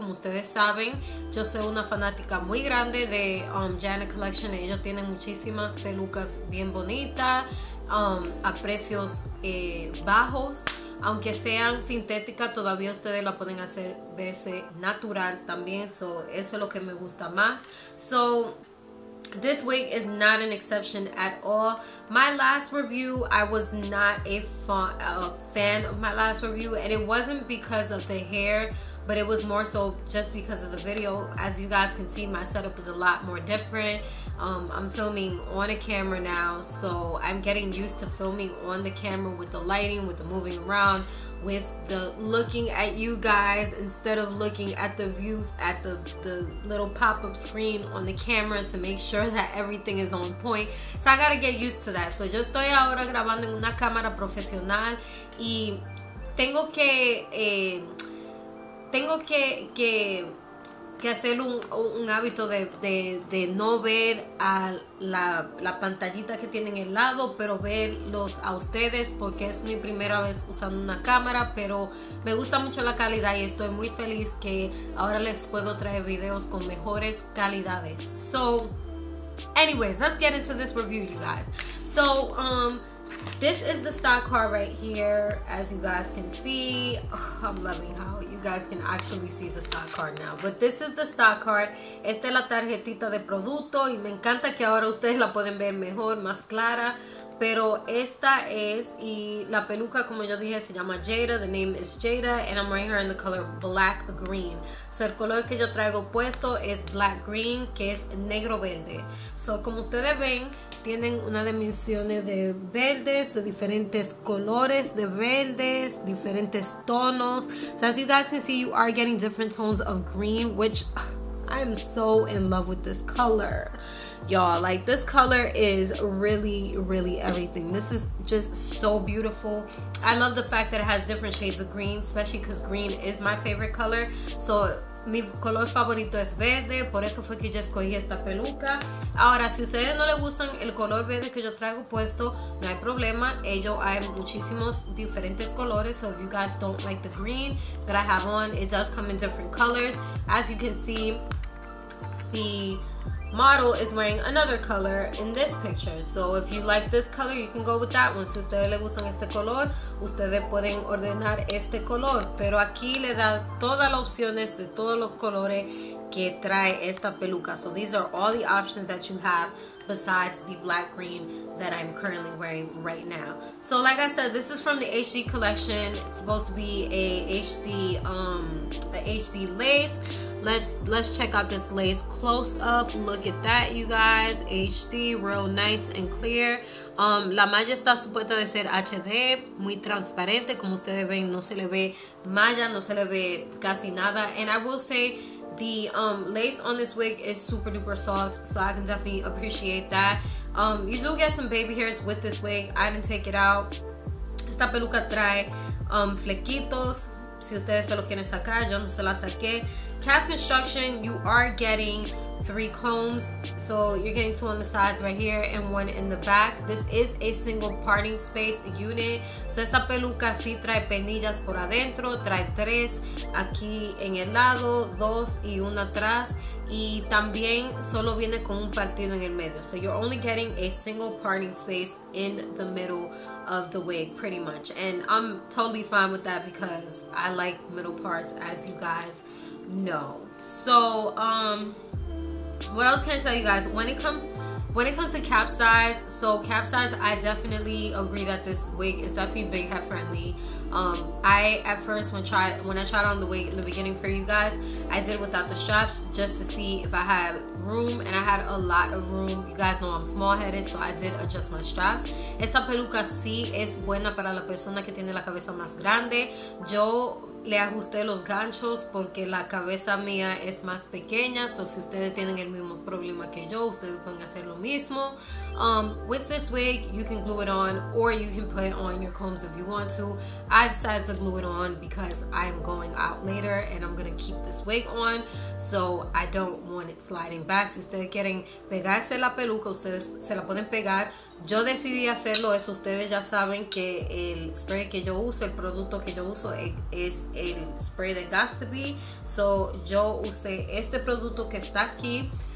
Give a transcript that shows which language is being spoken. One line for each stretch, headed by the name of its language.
Spanish: Como ustedes saben, yo soy una fanática muy grande de Janet Collection. Ellos tienen muchísimas pelucas bien bonitas, a precios bajos. Aunque sean sintéticas, todavía ustedes la pueden hacer verse natural también. So eso es lo que me gusta más.
English: So this wig is not an exception at all. My last review, I was not a fan of my last review, and it wasn't because of the hair, but it was more so just because of the video. As you guys can see, my setup is a lot more different. I'm filming on a camera now, so I'm getting used to filming on the camera with the lighting, with the moving around, with the looking at you guys instead of looking at the view at the little pop-up screen on the camera to make sure that everything is on point. So I gotta get used to that.
Spanish: So yo estoy ahora grabando en una cámara profesional, y tengo que hacer un hábito de no ver a la pantallita que tienen al lado, pero verlos a ustedes, porque es mi primera vez usando una cámara. Pero me gusta mucho la calidad, y estoy muy feliz que ahora les puedo traer videos con mejores calidades.
English: So anyways, let's get into this review, you guys. So this is the stock car right here, as you guys can see. Oh, I'm loving how you guys can actually see the stock car now. But this is the stock car.
Spanish: Esta es la tarjetita de producto, y me encanta que ahora ustedes la pueden ver mejor, más clara. Pero esta es, y la peluca, como yo dije, se llama Jada.
English: The name is Jada, and I'm wearing her in the color black green.
Spanish: So el color que yo traigo puesto es black green, que es negro verde. So como ustedes ven, tienen una dimensión de verdes, de diferentes colores de verdes, diferentes tonos.
English: So as you guys can see, you are getting different tones of green, which I am so in love with this color. Y'all, like, this color is really, really everything. This is just so beautiful. I love the fact that it has different shades of green, especially because green is my favorite color.
Spanish: So mi color favorito es verde, por eso fue que yo escogí esta peluca. Ahora, si ustedes no les gustan el color verde que yo traigo puesto, no hay problema. Ellos hay muchísimos diferentes colores.
English: So if you guys don't like the green that I have on, it does come in different colors. As you can see, the model is wearing another color in this picture. So if you like this color, you can go with that one.
Spanish: Si ustedes les gustan este color, ustedes pueden ordenar este color. Pero aquí le da todas las opciones de todos los colores que trae esta peluca.
English: So these are all the options that you have besides the black green that I'm currently wearing right now. So like I said, this is from the HD collection. It's supposed to be a HD lace. Let's check out this lace close up. Look at that, you guys. HD, real nice and clear.
Spanish: La malla está supuesta de ser HD, muy transparente. Como ustedes ven, no se le ve malla, no se le ve casi nada.
English: And I will say, the lace on this wig is super duper soft, so I can definitely appreciate that. You do get some baby hairs with this wig. I didn't take it out.
Spanish: Esta peluca trae flequitos. Si ustedes se lo quieren sacar, yo no se la saqué.
English: Cap construction, you are getting three combs. So you're getting two on the sides right here and one in the back. This is a single parting space unit.
Spanish: So esta peluca sí trae penillas por adentro. Trae tres aquí en el lado, dos y una atrás. Y también solo viene con un partido en el medio.
English: So you're only getting a single parting space in the middle of the wig, pretty much. And I'm totally fine with that because I like middle parts, as you guys know. So, what else can I tell you guys? When it comes to cap size, so cap size, I definitely agree that this wig is definitely big head friendly. I tried on the wig in the beginning for you guys, I did it without the straps just to see if I had room, and I had a lot of room. You guys know I'm small headed, so I did adjust my straps.
Spanish: Esta peluca sí es buena para la persona que tiene la cabeza más grande. Yo le ajusté los ganchos porque la cabeza mía es más pequeña. So si ustedes tienen el mismo problema que yo, ustedes pueden hacer lo mismo.
English: With this wig, you can glue it on or you can put it on your combs if you want to. I decided to glue it on because I'm going out later and I'm going to keep this wig on. So I don't want it sliding back.
Spanish: Si ustedes quieren pegarse la peluca, ustedes se la pueden pegar. Yo decidí hacerlo eso. Ustedes ya saben que el spray que yo uso, el producto que yo uso es el spray de Gatsby. So yo usé este producto que está aquí.